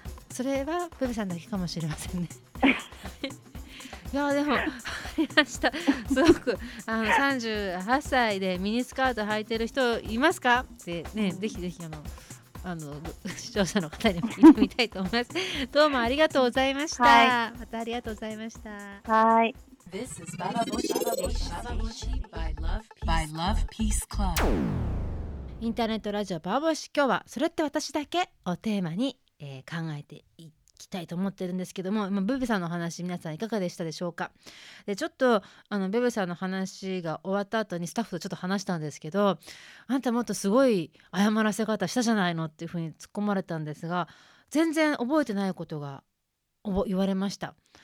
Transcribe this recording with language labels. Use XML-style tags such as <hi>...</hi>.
<ja>あ、それはプルさんだけかもしれませんね。いや、でも、明日、すごく、あの、38歳でミニスカート履いてる人いますかって、ね、ぜひぜひ、あの、視聴者の方にも聞いてみたいと思います。どうもありがとうございました。はい、またありがとうございました。はい。</ja> <en>This is Baba Boshi, Baba Boshi, by Love Peace Club.</en> <ja>インターネットラジオバーボシ、今日は、それって私だけをテーマに、考えていって、聞きたいと思ってるんですけども、まあ、ベベさんの話皆さんいかがでしたでしょうか。でちょっとあのベベさんの話が終わった後にスタッフとちょっと話したんですけど、あんたもっとすごい謝らせ方したじゃないのっていう風に突っ込まれたんですが、全然覚えてないことが言われました。</ja>